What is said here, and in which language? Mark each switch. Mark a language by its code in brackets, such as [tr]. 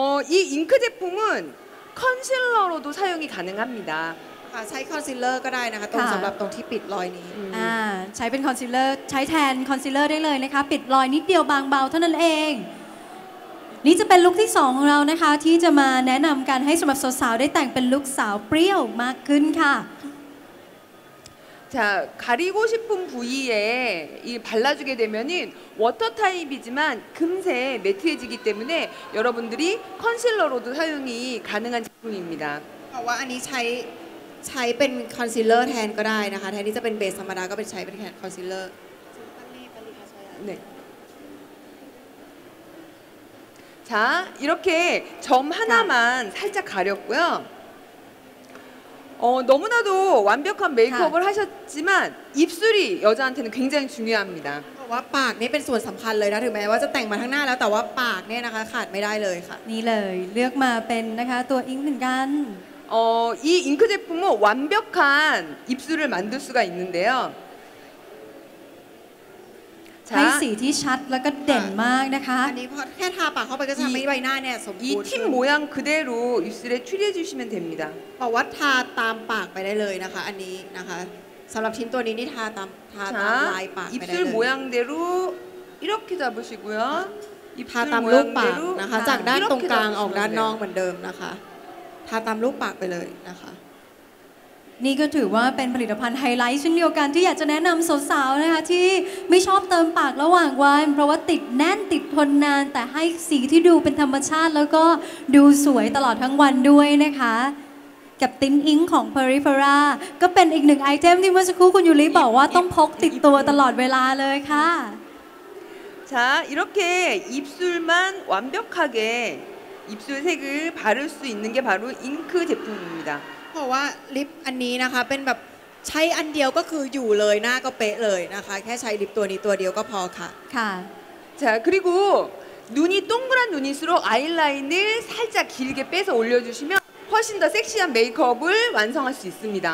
[ko] 이잉크제품은컨실러로도사용이가능합니다 [th] ค่ะใช้คอนซีลเลอร์ก็ได้นะคะตรงสำหรับตรงที่ปิดรอยนี้ใช้เป็นคอนซีลเลอร์ใช้แทนคอนซีลเลอร์ได้เลยนะคะปิดรอยนิดเดียวบางเบาเท่านั้นเองนี่จะเป็นลุคที่สองของเรานะคะที่จะมาแนะนำการให้สำหรับสาวๆได้แต่งเป็นลุคสาวเปรี้ยวมากขึ้นค่ะ [ko] 자 가리고 싶은 부위에 이 발라주게 되면 은 워터 타입이지만 금세 매트해지기 때문에 여러분들이 컨실러로도 사용이 가능한 제품입니다 [th] ว่าอันนี้ใช้เป็นคอนซีลเลอร์แทนก็ได้นะคะแทนที่จะเป็นเบสธรรมดาก็เป็นใช้เป็นแทนคอนซีลเลอร์ [ko] 자 이렇게 점 하나만 살짝 가렸고요너무나도완벽한메이크업을하셨지만입술이여자한테는굉장히중요합니다 [th] ว่าปากนี่เป็นส่วนสำคัญเลยนะถึงแม้ว่าจะแต่งมาทั้งหน้าแล้วแต่ว่าปากเนี่ยนะคะขาดไม่ได้เลยค่ะ นี่เลยเลือกมาเป็นนะคะตัวอิงค์เหมือนกัน [ko] 이 잉크 제품은 완벽한 입술을 만들 수가 있는데요 [th] 자 ให้ สี ที่ ชัด แล้ว ก็ เด่น มาก นะ คะ อันนี้ พอ แค่ ทา ปาก เข้า ไป ก็ จะ ทำ ให้ ใบ หน้า เนี่ย สมบูรณ์ [ko] 이 팁 모양 그대로 입술에 추리해주시면 됩니다 [th] บอก ว่า ทา ตาม ปาก ไป ได้ เลย นะ คะ อันนี้ นะ คะ สำหรับ ชิ้น ตัว นี้ นี่ ทา ตาม ทา ตาม ลาย ปาก ไป ได้ เลย [ko] 입술 모양 대로 이렇게 잡으시고요 [th] ทา ตาม ลูก ปาก นะ คะ จาก ด้าน ตรง กลาง ออก ด้าน นอก เหมือน เดิม นะ คะทาตามรูปปากไปเลยนะคะ นี่ก็ถือว่าเป็นผลิตภัณฑ์ไฮไลท์เช่นเดียวกันที่อยากจะแนะนำสาวๆนะคะที่ไม่ชอบเติมปากระหว่างวันเพราะว่าติดแน่นติดทนนานแต่ให้สีที่ดูเป็นธรรมชาติแล้วก็ดูสวยตลอดทั้งวันด้วยนะคะกับติ้นอิงของ Perifera ก็เป็นอีกหนึ่งไอเทมที่เมื่อสักครู่คุณยูริบอกว่าต้องพกติดตัวตลอดเวลาเลยค่ะ [ko] 자 이렇게 입술만 완벽하게입술색을바를수있는게바로잉크제품입니다 [th] เพราะว่าลิปอันนี้นะคะเป็นแบบใช้อันเดียวก็คืออยู่เลยหน้าก็เป๊ะเลยนะคะแค่ใช้ลิปตัวนี้ตัวเดียวก็พอค่ะ ค่ะ [ko] 자그리고눈이동그란눈일수록아이라인을살짝길게빼서올려주시면훨씬더섹시한메이크업을완성할수있습니다